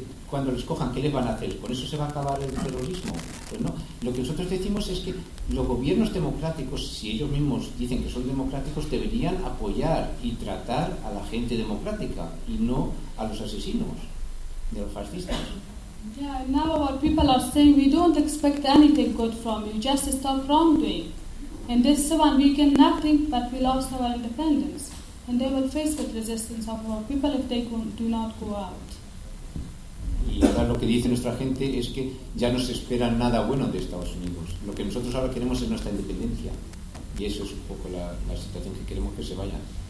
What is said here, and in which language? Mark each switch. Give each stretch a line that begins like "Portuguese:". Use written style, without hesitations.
Spanish: Cuando les cojan, ¿qué les van a hacer? ¿Con eso se va a acabar el terrorismo? Pues no. Lo que nosotros decimos es que los gobiernos democráticos, si ellos mismos dicen que son democráticos, deberían apoyar y tratar a la gente democrática y no a los asesinos de los fascistas.
English: Yeah, now our people are saying we don't expect anything good from you, just stop wrongdoing. And this one we can nothing but we lost our independence. And they will face the resistance of our people if they do not go out.
Spanish: Y ahora lo que dice nuestra gente es que ya no se espera nada bueno de Estados Unidos. Lo que nosotros ahora queremos es nuestra independencia. Y eso es un poco la situación que queremos que se vaya.